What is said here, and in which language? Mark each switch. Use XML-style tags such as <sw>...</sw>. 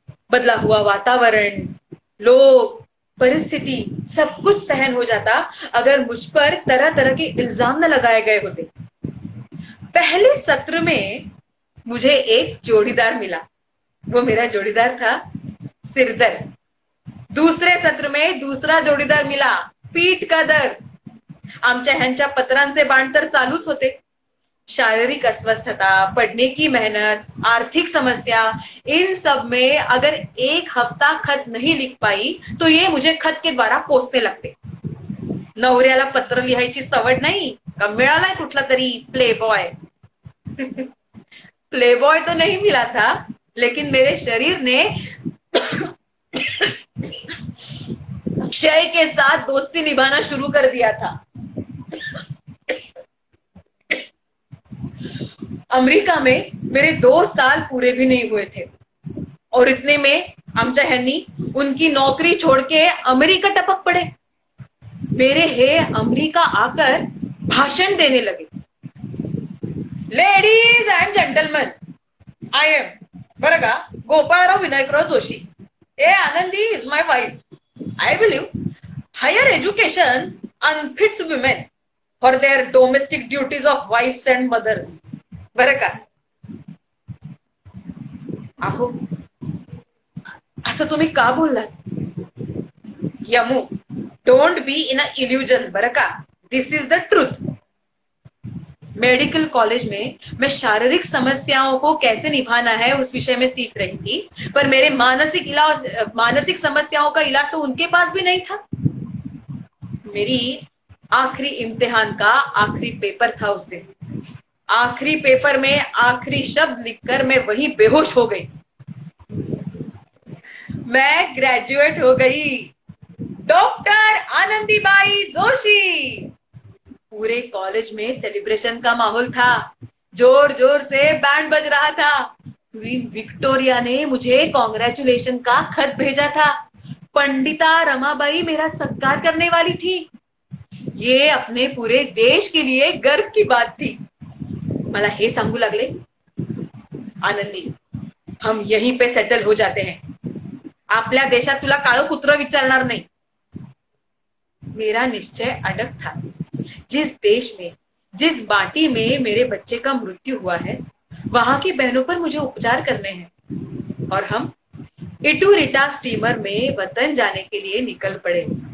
<hi>बदला हुआ वातावरण, लोग, परिस्थिति, सब कुछ सहन हो जाता अगर मुझ पर तरह तरह के इल्जाम न लगाए गए होते। पहले सत्र में मुझे एक जोड़ीदार मिला, वो मेरा जोड़ीदार था सिरदर्द। दूसरे सत्र में दूसरा जोड़ीदार मिला पीठ का दर्द।</hi> <mr>आमच्या ह्यांच्या पत्रांचे बांटर चालूच होते।</mr> <hi>शारीरिक अस्वस्थता, पढ़ने की मेहनत, आर्थिक समस्या, इन सब में अगर एक हफ्ता खत नहीं लिख पाई तो ये मुझे खत के द्वारा कोसने लगते।</hi> <mr>नवऱ्याला पत्र लिहायची सवड नाही, का मिळालाय कुठला तरी प्ले बॉय।</mr> <hi>प्ले बॉय तो नहीं मिला था, लेकिन मेरे शरीर ने क्षय के साथ दोस्ती निभाना शुरू कर दिया था। अमेरिका में मेरे 2 साल पूरे भी नहीं हुए थे और इतने में</hi> <mr>आमचा हैनी</mr> <hi>उनकी नौकरी छोड़ के अमेरिका टपक पड़े। मेरे हे अमेरिका आकर भाषण देने लगे,</hi> <en>Ladies and gentleman, I am बरगा Gopalrao Vinayakrao Joshi, a Anandi is my wife, I believe higher education unfits women for their domestic duties of wives and mothers, बर का।</en> <mr>आहो, असं तुम्ही का बोललात?</mr> <en>Yamu, don't be in a illusion, बर का, this is the truth.</en> <hi>Medical college में मैं शारीरिक समस्याओं को कैसे निभाना है उस विषय में सीख रही थी, पर मेरे मानसिक समस्याओं का इलाज तो उनके पास भी नहीं था। मेरी आखिरी इम्तिहान का आखिरी पेपर था उस दिन। आखिरी पेपर में आखिरी शब्द लिखकर मैं वही बेहोश हो गई। मैं ग्रेजुएट हो गई, डॉक्टर आनंदीबाई जोशी। पूरे कॉलेज में सेलिब्रेशन का माहौल था, जोर जोर से बैंड बज रहा था। क्वीन विक्टोरिया ने मुझे कॉन्ग्रेचुलेशन का खत भेजा था, पंडिता रमाबाई मेरा सत्कार करने वाली थी। ये अपने पूरे देश के लिए गर्व की बात थी।</hi> <mr>मला हे सांगू लागले,</mr> <hi>आनंदी हम यहीं पे सेटल हो जाते हैं,</hi> <mr>आपल्या देशात तुला काळो कुत्र विचारणार नाही।</mr> <hi>मेरा निश्चय अडक था। जिस देश में, जिस बाटी में मेरे बच्चे का मृत्यु हुआ है, वहां की बहनों पर मुझे उपचार करने हैं, और हम इटू रिटा स्टीमर में वतन जाने के लिए निकल पड़े।</hi>